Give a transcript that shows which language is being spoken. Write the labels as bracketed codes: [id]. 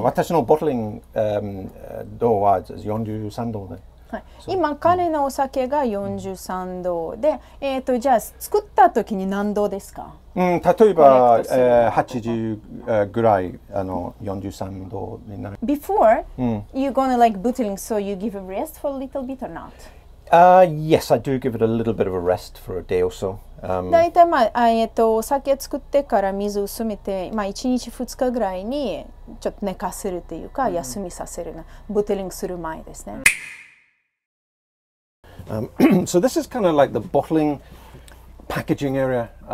[ja] 私のボトリング、度は43度で。はい、今彼のお酒が43度で、うん、じゃあ作った時に何度ですか？うん、例えば、80ぐらい、あの43度になる。 [en] Before、you're gonna like bottling, so you give a rest for a little bit or not? Yes, I do give it a little bit of a rest for a day or so. [ja] だいたいまあお酒作ってから水を薄めて、まあ1日2日ぐらいにちょっと寝かせるというか、うん、休みさせるの、bottling する前ですね。 [en] so this is kind of like the bottling packaging area.